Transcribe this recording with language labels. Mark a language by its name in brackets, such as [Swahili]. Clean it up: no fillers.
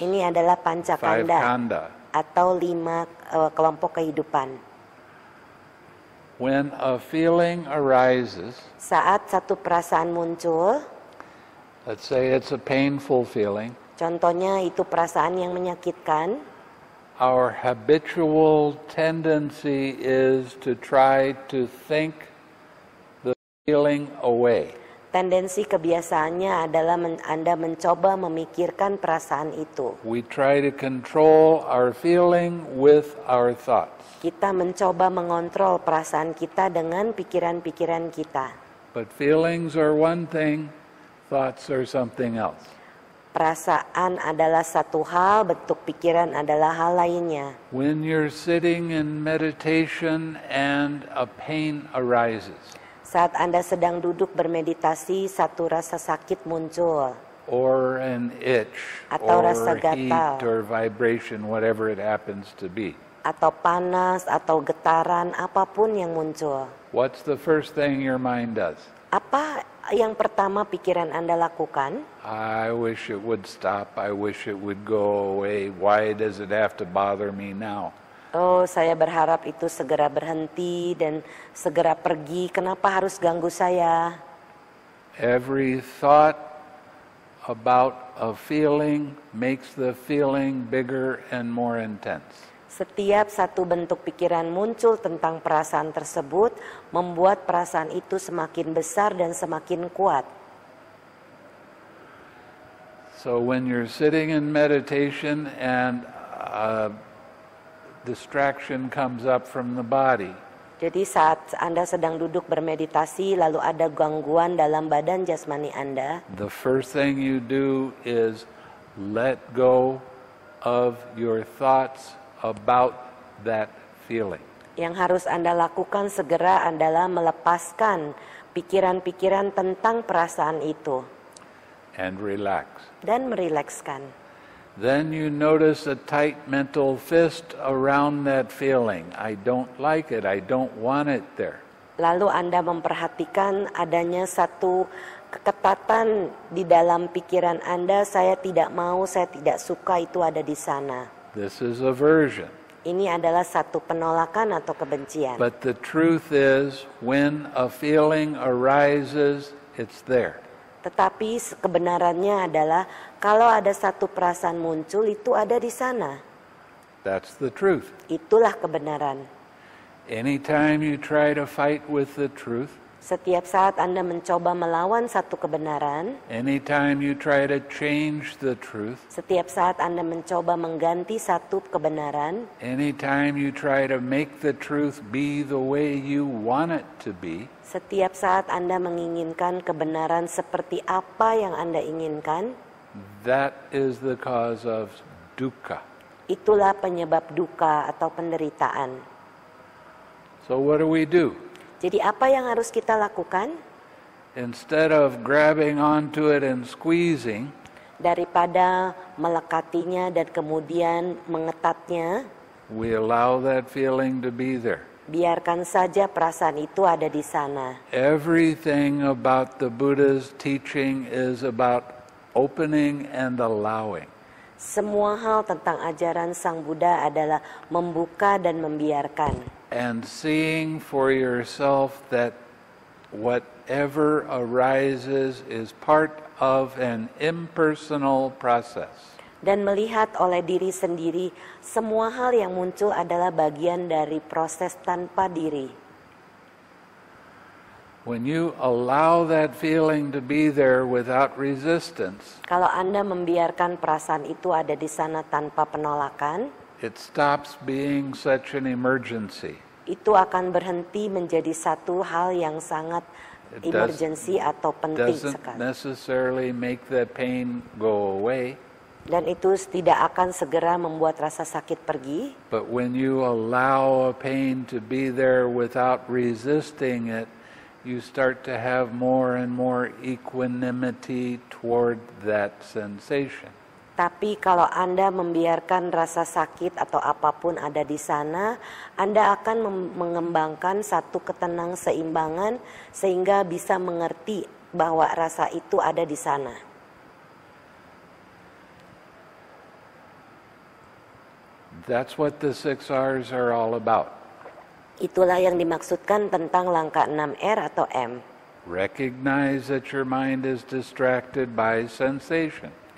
[Indonesian] Ini adalah pancakanda atau lima kelompok kehidupan. [English] When a feeling arises, [Indonesian] saat satu perasaan muncul, [English] let's say it's a painful feeling. [Indonesian] Contohnya itu perasaan yang menyakitkan. [English] Our habitual tendency is to try to think the feeling away. [Indonesian] Tendensi kebiasaannya adalah Anda mencoba memikirkan perasaan itu. [English] We try to control our feeling with our thoughts. [Indonesian] Kita mencoba mengontrol perasaan kita dengan pikiran-pikiran kita. [English] But feelings are one thing, thoughts are something else. [Indonesian] Perasaan adalah satu hal, bentuk pikiran adalah hal lainnya. [English] When you're sitting in meditation and a pain arises. [Indonesian] Saat Anda sedang duduk bermeditasi, satu rasa sakit muncul. [English] Or an itch, [Indonesian] atau [English] or [Indonesian] rasa gatal, [English] heat or vibration, whatever it happens to be. [Indonesian] Atau panas, atau getaran, apapun yang muncul. [English] What's the first thing your mind does? [Indonesian] Apa yang pertama pikiran Anda lakukan? [English] I wish it would stop, I wish it would go away, why does it have to bother me now? [Indonesian] Oh, saya berharap itu segera berhenti dan segera pergi. Kenapa harus ganggu saya? [English] Every thought about a feeling makes the feeling bigger and more intense. [Indonesian] Setiap satu bentuk pikiran muncul tentang perasaan tersebut membuat perasaan itu semakin besar dan semakin kuat. [English] So when you're sitting in meditation and distraction comes up from the body. [Indonesian] Jadi saat Anda sedang duduk bermeditasi lalu ada gangguan dalam badan jasmani Anda. [English] The first thing you do is let go of your thoughts about that feeling. [Indonesian] Yang harus Anda lakukan segera adalah melepaskan pikiran-pikiran tentang perasaan itu. [English] And relax. [Indonesian] Dan merilekskan. [English] Then you notice a tight mental fist around that feeling. I don't like it. I don't want it there. [Indonesian] Lalu Anda memperhatikan adanya satu keketatan di dalam pikiran Anda. Saya tidak mau, saya tidak suka itu ada di sana. [English] This is aversion. [Indonesian] Ini adalah satu penolakan atau kebencian. [English] But the truth is, when a feeling arises, it's there. [Indonesian] Tetapi kebenarannya adalah kalau ada satu perasaan muncul itu ada di sana. [English] That's the truth. [Indonesian] Itulah kebenaran. [English] Anytime you try to fight with the truth, [Indonesian] Setiap saat Anda mencoba melawan satu kebenaran, [English] anytime you try to change the truth, [Indonesian] setiap saat Anda mencoba mengganti satu kebenaran, [English] anytime you try to make the truth be the way you want it to be, [Indonesian] setiap saat Anda menginginkan kebenaran seperti apa yang Anda inginkan, [English] that is the cause of dukkha. [Indonesian] Itulah penyebab duka atau penderitaan. [English] So what do we do? [Indonesian] Jadi apa yang harus kita lakukan? [English] Instead of grabbing onto it and squeezing, [Indonesian] daripada melekatinya dan kemudian mengetatnya, [English] we allow that feeling to be there. [Indonesian] Biarkan saja perasaan itu ada di sana. [English] Everything about the Buddha's teaching is about opening and allowing. [Indonesian] Semua hal tentang ajaran Sang Buddha adalah membuka dan membiarkan. [English] And seeing for yourself that whatever arises is part of an impersonal process. [Indonesian] Dan melihat oleh diri sendiri, semua hal yang muncul adalah bagian dari proses tanpa diri. [English] When you allow that feeling to be there without resistance, [Indonesian] kalau Anda membiarkan perasaan itu ada di sana tanpa penolakan, [English] it stops being such an emergency. [Indonesian] Itu akan berhenti menjadi satu hal yang sangat emergency atau penting sekali. [English] Doesn't necessarily make the pain go away. [Indonesian] Dan itu tidak akan segera membuat rasa sakit pergi. [English] But when you allow a pain to be there without resisting it, you start to have more and more equanimity toward that sensation. [Indonesian] Tapi kalau Anda membiarkan rasa sakit atau apapun ada di sana, Anda akan mengembangkan satu ketenang seimbangan sehingga bisa mengerti bahwa rasa itu ada di sana. [English] That's what the six R's are all about. [Indonesian] Itulah yang dimaksudkan tentang langkah 6R atau M. [English] Recognize that your mind is distracted by sensation.